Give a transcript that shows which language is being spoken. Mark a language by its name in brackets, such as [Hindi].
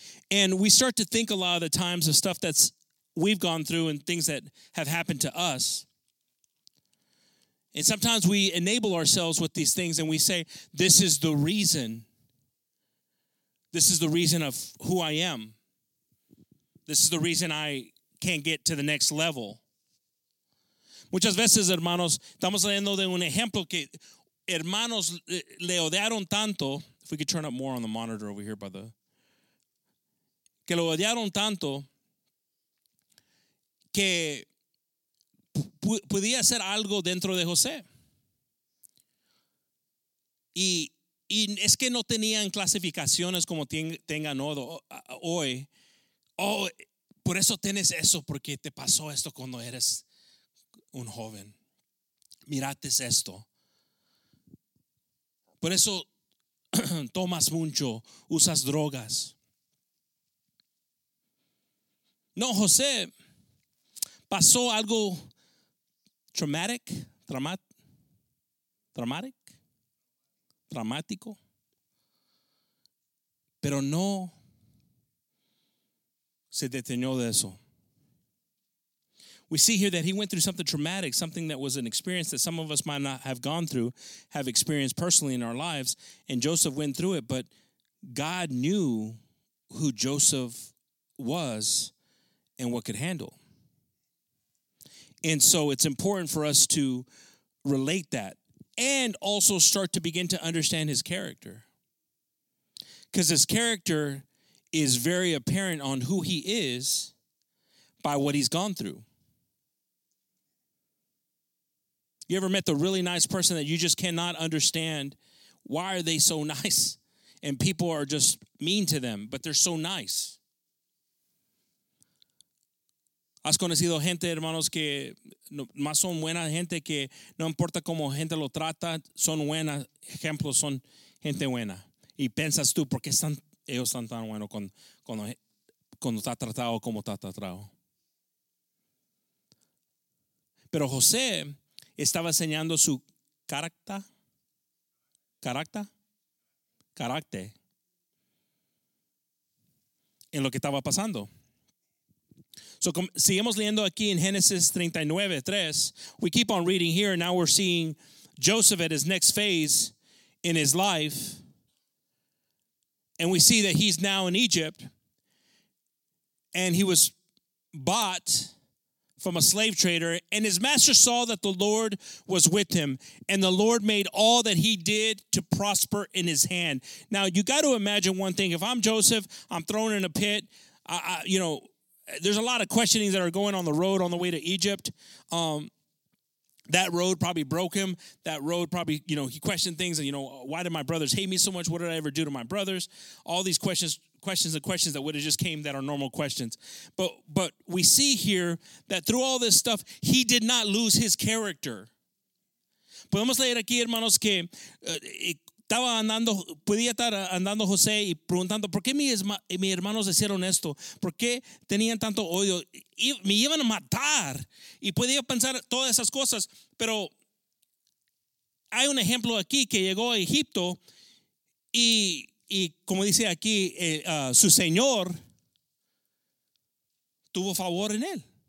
[English] And we start to think a lot of the times of stuff that we've gone through and things that have happened to us. And sometimes we enable ourselves with these things and we say, this is the reason. This is the reason of who I am. This is the reason I can't get to the next level. [Spanish] Muchas veces, hermanos, estamos leyendo de un ejemplo que hermanos le odiaron tanto. [English] If we could turn up more on the monitor over here, brother. [Spanish] Que lo odiaron tanto que podía hacer algo dentro de José. Y es que no tenían clasificaciones como tengan hoy. Oh, por eso tienes eso, porque te pasó esto cuando eres un joven. Mirate esto. Por eso tomas mucho, usas drogas. No, José pasó algo traumático, pero no se detenió de eso. [English] We see here that he went through something traumatic, something that was an experience that some of us might not have gone through, have experienced personally in our lives, and Joseph went through it, but God knew who Joseph was and what could handle. And so it's important for us to relate that and also start to begin to understand his character. Because his character is very apparent on who he is by what he's gone through. You ever met the really nice person that you just cannot understand? Why are they so nice? And people are just mean to them, but they're so nice. [Spanish] Has conocido gente, hermanos, que más son buena gente que no importa cómo gente lo trata, son buenas ejemplos, son gente buena. Y piensas tú, ¿por qué están, ellos están tan buenos cuando está tratado como está tratado? Pero José estaba enseñando su carácter en lo que estaba pasando. So, seguimos leyendo aquí en Génesis 39:3. [English] We keep on reading here, and now we're seeing Joseph at his next phase in his life. And we see that he's now in Egypt, and he was bought from a slave trader. And his master saw that the Lord was with him, and the Lord made all that he did to prosper in his hand. Now, you got to imagine one thing. If I'm Joseph, I'm thrown in a pit. There's a lot of questionings that are going on the road on the way to Egypt. That road probably broke him. That road probably, you know, he questioned things. And, you know, why did my brothers hate me so much? What did I ever do to my brothers? All these questions that would have just came that are normal questions. But we see here that through all this stuff, he did not lose his character. [Spanish] Podemos leer aquí, hermanos, que estaba andando, podía estar andando José y preguntando, ¿por qué mis hermanos hicieron esto? ¿Por qué tenían tanto odio? Y me iban a matar. Y podía pensar todas esas cosas. Pero hay un ejemplo aquí que llegó a Egipto y como dice aquí, su señor tuvo favor en él.